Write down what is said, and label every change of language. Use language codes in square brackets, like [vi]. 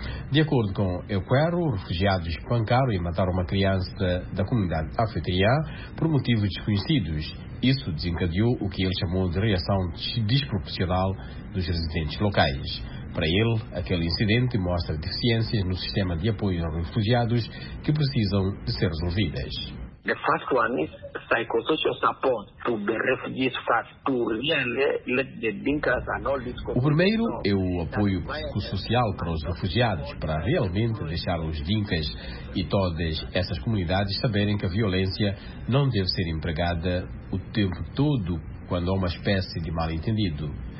[pt] De acordo com Ekweru, refugiados espancaram e mataram uma criança da comunidade anfitriã por motivos desconhecidos. Isso desencadeou o que ele chamou de reação desproporcional dos residentes locais. Para ele, aquele incidente mostra deficiências no sistema de apoio aos refugiados que precisam de ser resolvidas. [en] The first one is psychosocial support to the refugees first, to really let the dinkers and all these. [pt] O primeiro é o apoio psicossocial para os refugiados, para realmente deixar os dinkers e todas essas comunidades saberem que a violência não deve ser empregada o tempo todo quando há uma espécie de mal-entendido.